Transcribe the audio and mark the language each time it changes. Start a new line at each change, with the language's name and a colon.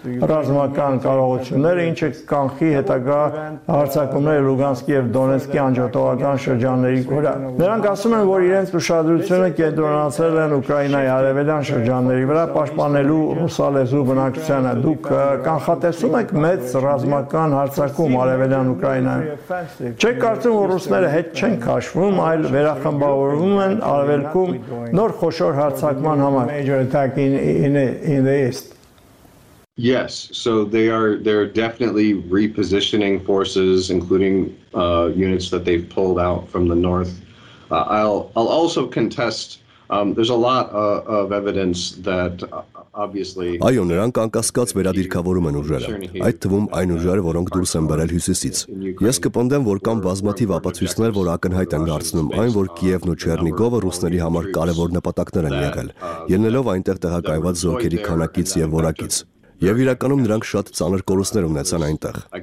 Armenian: ռազմական կարողությունները, ինչը կանխի հետագա հարձակումները Լուգանսկի եւ Դոնեցկի անջատողական շրջանների վրա։ Նրանք ասում են, որ իրենց ուշադրությունը կենտրոնացրել են Ուկրաինայի արևելյան շրջանների վրա, պաշտպանելու ռուսալեզու բնակչությանը։ Դուք կանխատեսում եք մեծ ռազմական հարձակում արևելյան Ուկրաինայում։ Չեք կարծում, որ ռուսները հետ չեն քաշվում, այլ վերախմբավորվում են արևելքում նոր խոշոր հարձակման համար
English: in the east? Yes, so they're definitely repositioning forces, including units that they've pulled out from the north. I'll also contest there's a lot of evidence that obviously
Armenian: Այո, նրանք անկասկած վերադիրքավորում են ուժերը, այդ թվում այն ուժերը, որոնք դուրս են բերել հյուսիսից։ Ես կպնդեմ, որ կան բազմաթիվ ապացույցներ, որ ակնհայտ են դարձնում այն, որ Կիևն ու Չեռնիգովը ռուսների համար կարևոր նպատակներ են եղել, ելնելով այնտեղ տեղակայված զորքերի քանակից եւ որակից։ Եվ իրականում նրանք շատ ծանր կորուստներ ունեցան այնտեղ։